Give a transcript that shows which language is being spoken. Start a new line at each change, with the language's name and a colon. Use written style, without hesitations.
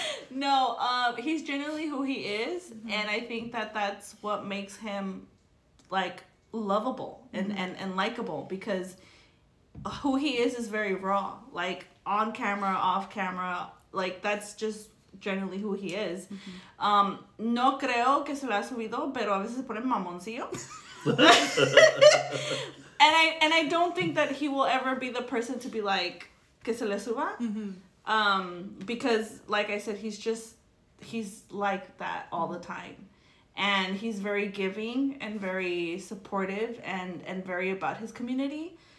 English: No, he's genuinely who he is. Mm-hmm. And I think that that's what makes him, like, lovable mm-hmm. and likable because who he is very raw, like on camera, off camera, like that's just generally who he is. Mm-hmm.
Spanish: No creo que se lo ha subido, pero a veces se pone mamoncillo.
English: and I don't think that he will ever be the person to be like
Spanish: que se le suba,
English: mm-hmm. Because like I said, he's like that all the time. And he's very giving and very supportive and very about his community.